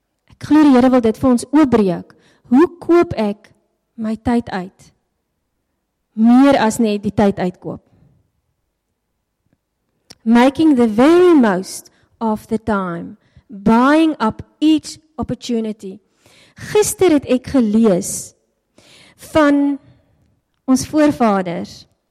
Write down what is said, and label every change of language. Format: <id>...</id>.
<af>Ek glo die Here wil dit vir ons oopbreek. Hoe koop ek my tyd uit? Meer as net die tyd uitkoop.</af> <en>Making the very most of the time, buying up each opportunity.</en> <af>Gister het ek gelees van ons voorvaders.</af>